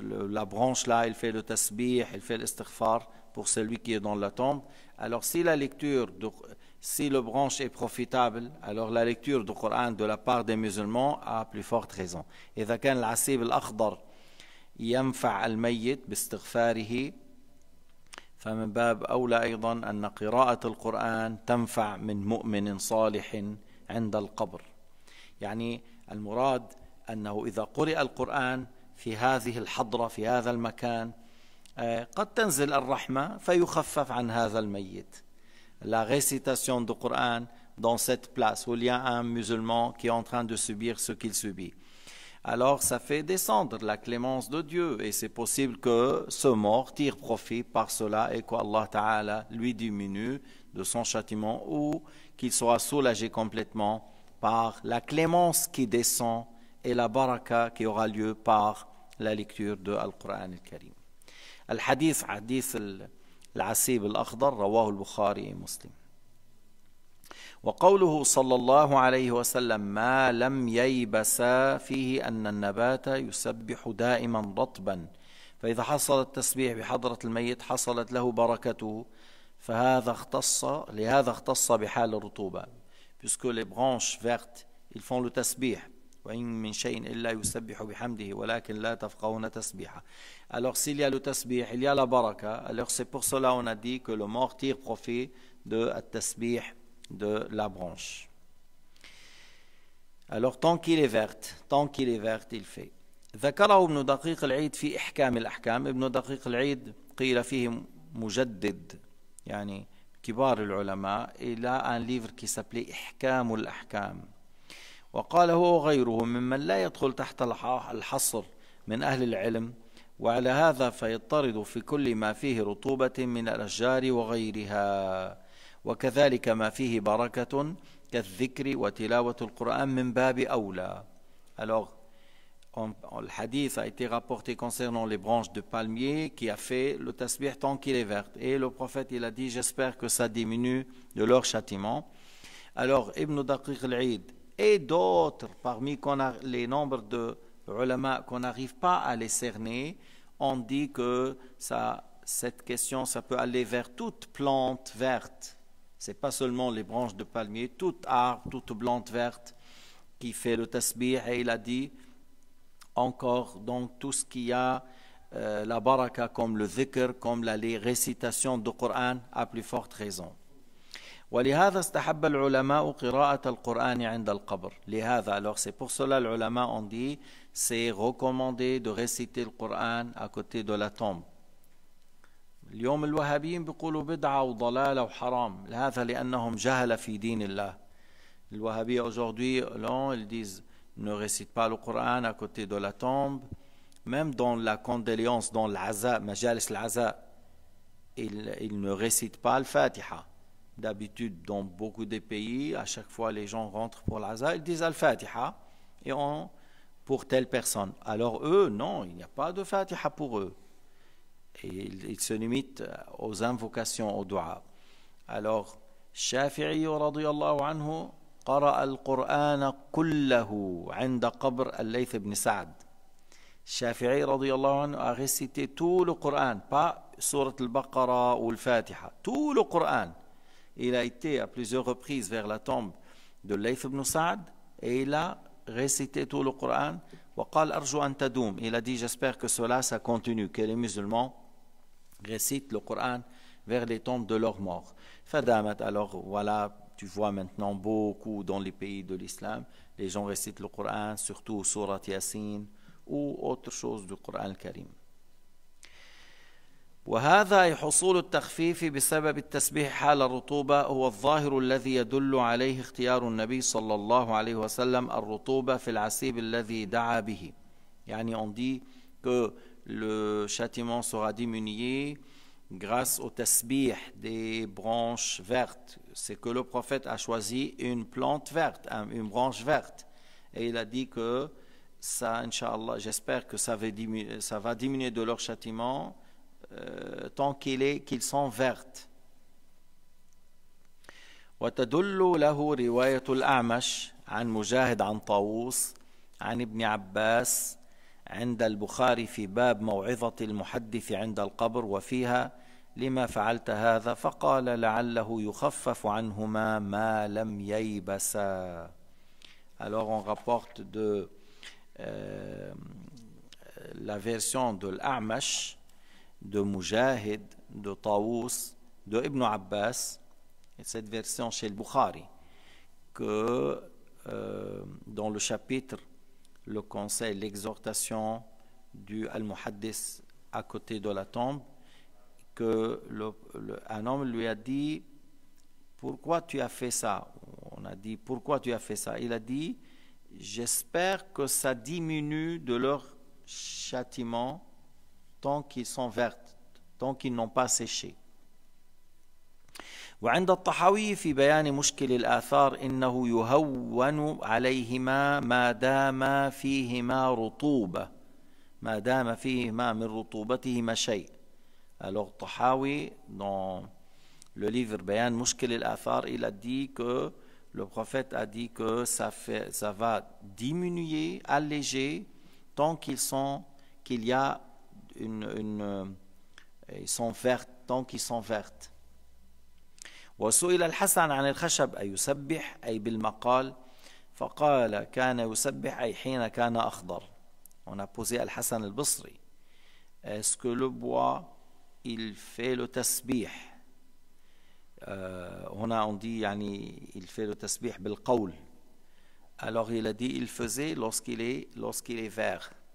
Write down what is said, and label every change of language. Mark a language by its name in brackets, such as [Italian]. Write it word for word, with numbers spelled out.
[French] La branche là, il fait le tasbih, il fait l'istighfar pour celui qui est dans la tombe. Alors si la lecture de Si le branche est profitable, alors la lecture du Coran de la part des musulmans a plus forte raison. [Arabic] إذا كان العصيب الأخضر ينفع الميت باستغفاره فمن باب أولى أيضا أن قراءة القرآن تنفع من مؤمن صالح عند القبر. يعني المراد أنه إذا قرئ القرآن في هذه الحضرة في هذا المكان قد تنزل الرحمة فيخفف عن هذا الميت. [French] La récitation du Coran dans cette place où il y a un musulman qui est en train de subir ce qu'il subit. Alors ça fait descendre la clémence de Dieu et c'est possible que ce mort tire profit par cela et qu'Allah Ta'ala lui diminue de son châtiment ou qu'il soit soulagé complètement par la clémence qui descend et la baraka qui aura lieu par la lecture de Al-Qur'an al-Karim. [Arabic] Al-Hadith, Hadith al العصيب الأخضر رواه البخاري مسلم. وقوله صلى الله عليه وسلم ما لم ييبس فيه أن النبات يسبح دائما رطبا، فإذا حصل التسبيح بحضرة الميت حصلت له بركته، فهذا اختص لهذا اختص بحال الرطوبة. [French] Puisque les branches vertes ils font le tasbih. [Arabic] وإن من شيء إلا يسبح بحمده ولكن لا تفقهون تسبيحه. [French] Alors s'il y a le tasbih, il y a la baraka. Alors c'est pour cela on a dit que le mort tire profit de tasbih de la branche. Alors tant qu'il est verte, tant qu'il est verte, il fait. [Arabic] ذكره ابن دقيق العيد في إحكام الأحكام. ابن دقيق العيد قيل فيه مجدد يعني كبار العلماء. [French] Il a un livre qui s'appelait إحكام الأحكام. [Arabic] وقال هو غيره ممن لا يدخل تحت الحصر من أهل العلم، وعلى هذا فيضطرد في كل ما فيه رطوبة من الأشجار وغيرها، وكذلك ما فيه بركة كالذكر وتلاوة القرآن من باب أولى. [French] Alors, on, on, le hadith a été rapporté concernant les branches de palmier qui a fait le tasbih tant qu'il est verte. Et le prophète il a dit j'espère que ça diminue de leur châtiment. Alors, Ibn Daqiq al-Aid et d'autres, parmi qu'on a- les nombres de ulama qu'on n'arrive pas à les cerner, on dit que ça, cette question, ça peut aller vers toute plante verte. C'est pas seulement les branches de palmier, tout arbre, toute plante verte qui fait le tasbih. Et il a dit encore donc tout ce qui a euh, la baraka comme le dhikr, comme la les récitations du Coran à plus forte raison. [Arabic] ولهذا استحب العلماء قراءة القرآن عند القبر. لهذا, [French] alors c'est pour cela les ulama ont dit c'est recommandé de réciter le Coran à côté de la tombe. [Arabic] اليوم الوهابيين بيقولوا بدعة وضلالة وحرام. لهذا لأنهم جهل في دين الله. الوهابية [French] aujourd'hui, non, ils disent ne récite pas le Coran à côté de la tombe, même dans la condoléance, dans l'aza, majalis l'aza, ils, ils ne récitent pas le Fatiha. D'habitude, dans beaucoup de pays, à chaque fois les gens rentrent pour l'aza, ils disent al-Fatiha et on pour telle personne. Alors eux, non, il n'y a pas de Fatiha pour eux. Et il, il se limite aux invocations, aux dua. [Arabic] Alors, Shafi'i radiyallahu anhu, قرأ القرآن كله عند قبر الليث بن سعد. [French] Shafi'i [Arabic] رضي الله عنه [French] a récité tout le Coran, pas Surat al-Baqarah ou al-Fatiha, tout le Coran. Il a été à plusieurs reprises vers la tombe de Layth ibn Sa'd et il a récité tout le Coran. [Arabic] وقال أرجو أن تدوم. [French] Il a dit j'espère que cela ça continue, que les musulmans récitent le Coran vers les tombes de leurs morts. [Arabic] فدامت. [French] Alors voilà, tu vois maintenant beaucoup dans les pays de l'islam, les gens récitent le Coran, surtout Surat Yasin ou autre chose du Coran al-Karim. [Arabic] وهذا أي حصول التخفيف بسبب التسبيح حال الرطوبة هو الظاهر الذي يدل عليه اختيار النبي صلى الله عليه وسلم الرطوبة في العسيب الذي دعا به. يعني [French] on dit que le châtiment sera diminué grâce au tasbih des branches vertes. C'est que le prophète a choisi une plante verte, un- une branche verte. Et il a dit que ça, Inch'Allah, j'espère que ça va diminuer, ça va diminuer de leur châtiment euh, tant qu'il est, qu'ils sont vertes. [Arabic] وتدل له رواية الأعمش عن مجاهد عن طاووس عن ابن عباس عند البخاري في باب موعظة المحدث عند القبر وفيها لما فعلت هذا فقال لعله يخفف عنهما ما لم ييبسا. [French] Alors on rapporte de euh, la version de l'A'mash, de Mujahid, de Tawus, de Ibn Abbas, et cette version chez le Bukhari, que euh, dans le chapitre, le conseil, l'exhortation du Al-Muhaddis à côté de la tombe, que le- le- un homme lui a dit pourquoi tu as fait ça? On a dit, pourquoi tu as fait ça? Il a dit, j'espère que ça diminue de leur châtiment tant qu'ils sont vertes, tant qu'ils n'ont pas séché. [Arabic] وعند الطحاوي في بيان مشكل الآثار إنه يهون عليهما ما دام فيهما رطوبة ما دام فيهما من رطوبتهما شيء. [French] Alors Tahawi, dans le livre Bayan Mushkil al-Athar, il a dit que le prophète a dit que ça, fait, ça va diminuer, alléger, tant qu'ils sont, qu'il y a une, une, euh, ils sont vertes, tant qu'ils sont vertes. [Arabic] وسئل الحسن عن الخشب أي يسبح أي بالمقال فقال كان يسبح أي حين كان أخضر. [French] On a posé Al-Hassan al-Basri, est-ce que le bois, il fait le tasbih? Euh, on a on dit, [Arabic] يعني, [French] il fait le tasbih [Arabic] بالقول. [French] Alors il a dit, il faisait lorsqu'il est, lorsqu'il est vert.